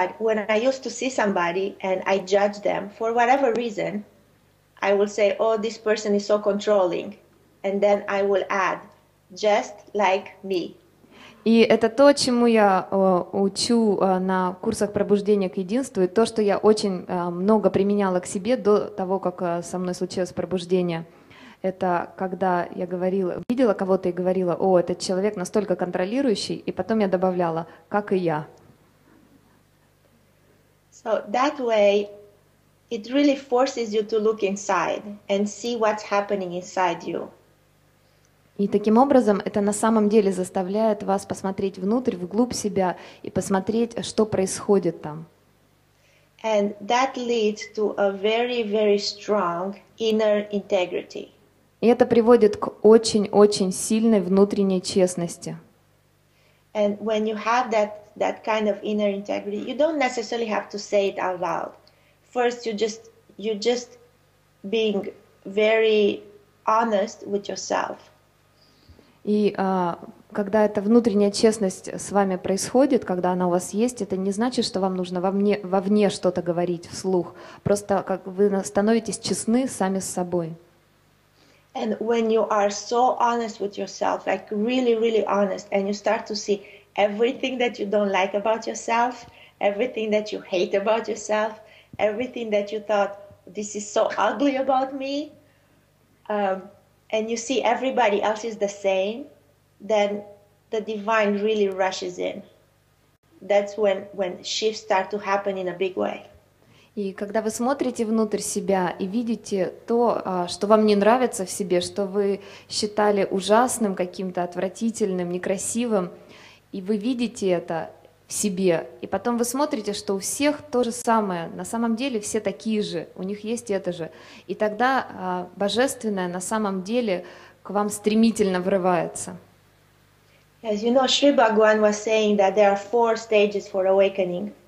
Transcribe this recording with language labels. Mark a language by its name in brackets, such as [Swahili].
[English] When I used to see somebody and I judge them for whatever reason, I will say, oh, this person is so controlling. And then I will add, just like me. [Russian] И это то, чему я учу на курсах пробуждения к единству, и то, что я очень много применяла к себе до того, как со мной случилось пробуждение. Это когда я говорила, видела кого-то и говорила, о, этот человек настолько контролирующий, и потом я добавляла, как и я. [English] So that way it really forces you to look inside and see what's happening inside you. [Russian] И таким образом это на самом деле заставляет вас посмотреть внутрь, вглубь себя и посмотреть, что происходит там. [English] And that leads to a very, very strong inner integrity. [Russian] И это приводит к очень-очень сильной внутренней честности. [English] And when you have that kind of inner integrity, you don't necessarily have to say it out loud. First, you just being very honest with yourself. [Russian] И когда эта внутренняя честность с вами происходит, когда она у вас есть, это не значит, что вам нужно вовне что-то говорить вслух. Просто как вы становитесь честны сами с собой. [English] And when you are so honest with yourself, like really, really honest, and you start to see everything that you don't like about yourself, everything that you hate about yourself, everything that you thought, this is so ugly about me, and you see everybody else is the same, then the divine really rushes in. That's when shifts start to happen in a big way. [Russian] И когда вы смотрите внутрь себя и видите то, что вам не нравится в себе, что вы считали ужасным, каким-то отвратительным, некрасивым, и вы видите это в себе, и потом вы смотрите, что у всех то же самое, на самом деле все такие же, у них есть это же, и тогда божественное на самом деле к вам стремительно врывается. [English] As you know, Sri Bhagwan was saying that there are four stages for awakening.